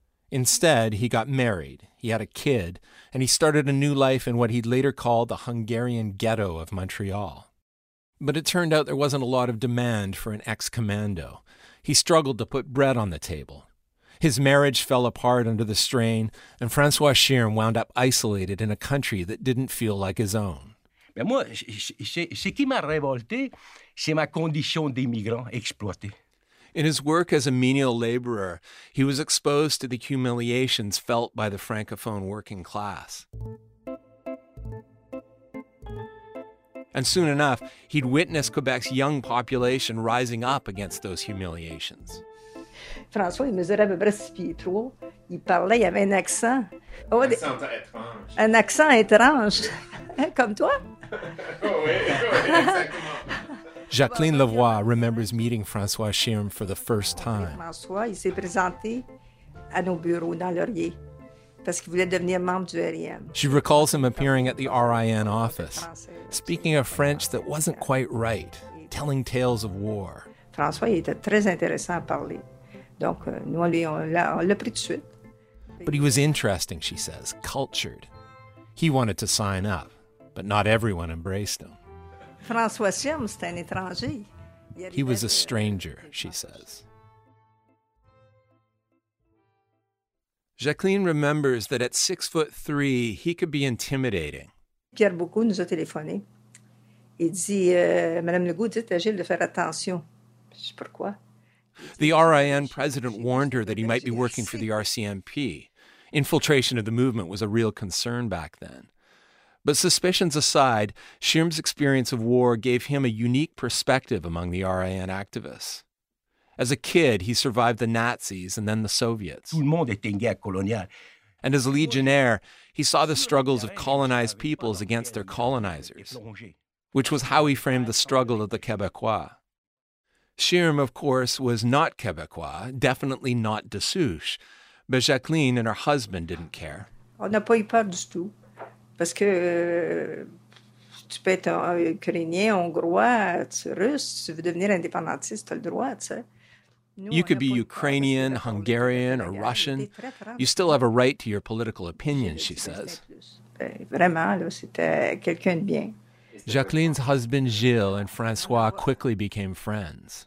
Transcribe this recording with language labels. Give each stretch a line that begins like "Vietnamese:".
English: Instead, he got married, he had a kid, and he started a new life in what he'd later called the Hungarian ghetto of Montreal. But it turned out there wasn't a lot of demand for an ex-commando. He struggled to put bread on the table. His marriage fell apart under the strain, and François Schirm wound up isolated in a country that didn't feel like his own.
French: Mais moi, ce qui m'a révolté, c'est ma condition d'immigrant exploité.
English: In his work as a menial laborer, he was exposed to the humiliations felt by the Francophone working class. And soon enough, he'd witnessed Quebec's young population rising up against those humiliations.
French: François, il mesurait à peu près 6 pieds 3. Il parlait, il avait un accent. Oh, un accent étrange. Un accent étrange, comme toi. Oh, oui, exactement.
English: Jacqueline Lavoie remembers meeting François Schirm for the first time.
French: François, il s'est présenté à nos bureaux dans Laurier parce qu'il voulait devenir membre du RIM.
English: She recalls him appearing at the RIN office, speaking a French that wasn't quite right, telling tales of war.
French: François, il était très intéressant à parler. Donc, nous, on l'a pris de suite.
English: But he was interesting, she says, cultured. He wanted to sign up, but not everyone embraced him.
French: François Schirm, c'était un étranger.
English: He was a stranger, she says. Jacqueline remembers that at 6'3", he could be intimidating.
French: Pierre Beaucoup nous a téléphoné. Il dit, Madame Legault, dites à Gilles de faire attention. Je sais pourquoi.
English: The RIN president warned her that he might be working for the RCMP. Infiltration of the movement was a real concern back then. But suspicions aside, Schirm's experience of war gave him a unique perspective among the RIN activists. As a kid, he survived the Nazis and then the Soviets.
French: Tout le monde était en guerre coloniale.
English: And as a legionnaire, he saw the struggles of colonized peoples against their colonizers, which was how he framed the struggle of the Québécois. Schirm, of course, was not Québécois, definitely not
French: de souche,
English: but Jacqueline and her husband didn't care.
French: On n'a pas eu peur du tout. Parce que tu peux être ukrainien, hongrois, tu russe, tu veux devenir indépendantiste, tu as le droit, tu sais.
English: You could be Ukrainian, Hungarian, or Russian. You still have a right to your political opinion, she says.
French: Vraiment, là, c'était quelqu'un de bien.
English: Jacqueline's husband Gilles and François quickly became friends.